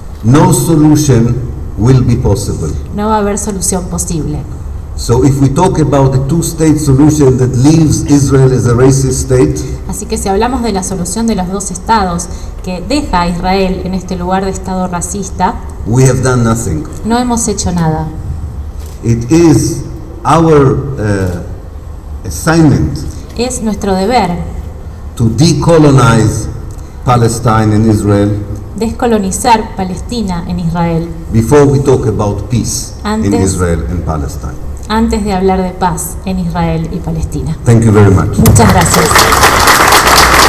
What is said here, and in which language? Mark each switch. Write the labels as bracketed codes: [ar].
[en] no solution will be possible. [es] No va a haber solución posible. [en] So if we talk about the two-state solution that leaves Israel as a racist state, [es] así que si hablamos de la solución de los dos estados que deja a Israel en este lugar de estado racista, [en] we have done nothing. [es] No hemos hecho nada. [en] It is our assignment. [es] Es nuestro deber [en] to decolonize Palestine and Israel. [es] Descolonizar Palestina en Israel. [en] Before we talk about peace in Israel and Palestine. [es] Antes de hablar de paz en Israel y Palestina. [en] Thank you very much. [es] Muchas gracias.